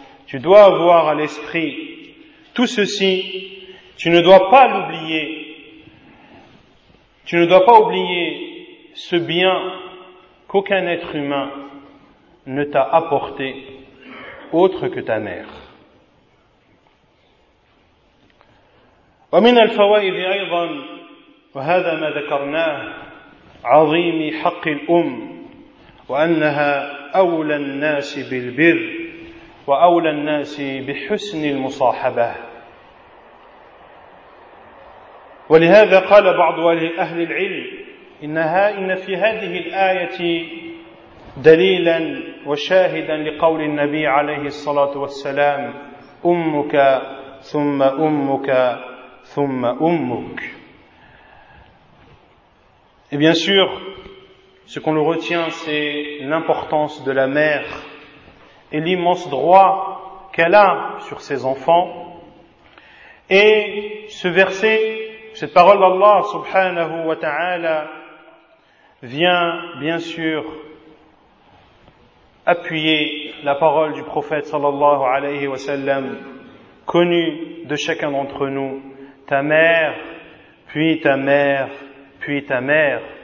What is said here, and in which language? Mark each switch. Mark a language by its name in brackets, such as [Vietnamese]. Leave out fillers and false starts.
[French] Tu dois avoir à l'esprit tout ceci, tu ne dois pas l'oublier, tu ne dois pas oublier ce bien qu'aucun être humain ne t'a apporté autre que ta mère. [Arabic] ومن الفوائد ايضا وهذا ما ذكرناه عظيم حق الام وانها اولى الناس بالبر واولى الناس بحسن المصاحبه ولهذا قال بعض اهل العلم ان في هذه الايه دليلا وشاهدا لقول النبي عليه الصلاة والسلام أمك ثم أمك ثم أمك. [French] Et bien sûr, ce qu'on le retient, c'est l'importance de la mère et l'immense droit qu'elle a sur ses enfants. Et ce verset, cette parole d'Allah subhanahu wa ta'ala vient bien sûr appuyer la parole du prophète sallallahu alayhi wa sallam, connu de chacun d'entre nous, ta mère, puis ta mère, puis ta mère.